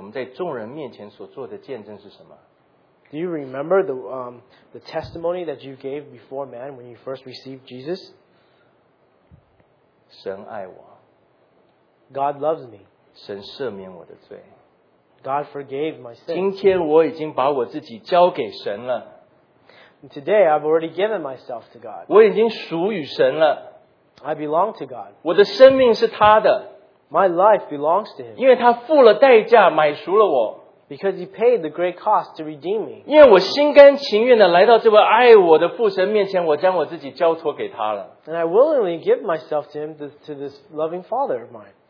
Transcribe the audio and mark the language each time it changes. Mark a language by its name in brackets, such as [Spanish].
[Chinese] 弟兄姐妹，你记得当我们那时接受主耶稣基督的救恩，我们在众人面前所做的见证是什么？ [English] Do you remember the testimony that you gave before man when you first received Jesus? [Chinese] 神爱我, [English] God loves me. [Chinese] 神赦免我的罪, [English] God forgave my sins. [Chinese] 今天我已经把我自己交给神了, [English] today I've already given myself to God. [Chinese] 我已经属于神了, [English] I belong to God. [Chinese] 我的生命是他的, [English] my life belongs to Him. [Chinese] 因为他付了代价买赎了我, [English] because He paid the great cost to redeem me. [Chinese] 因为我心甘情愿地来到这位爱我的父神面前，我将我自己交托给他了。 [English] And I willingly give myself to Him, to this loving Father of mine.